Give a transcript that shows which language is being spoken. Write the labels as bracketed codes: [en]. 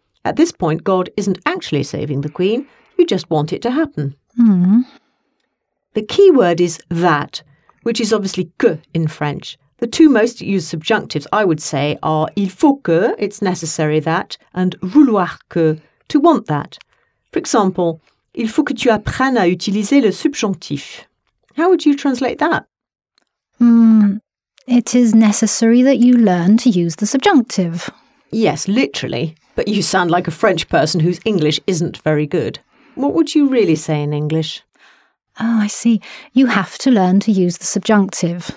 [en] At this point, God isn't actually saving the Queen. You just want it to happen. The key word is that, which is obviously que in French. The two most used subjunctives, I would say, are [fr] il faut que, [en] it's necessary that, and [fr] vouloir que, [en] to want that. For example, [fr] il faut que tu apprennes à utiliser le subjonctif. [en] How would you translate that? It is necessary that you learn to use the subjunctive. Yes, literally. But you sound like a French person whose English isn't very good. What would you really say in English? Oh, I see. You have to learn to use the subjunctive.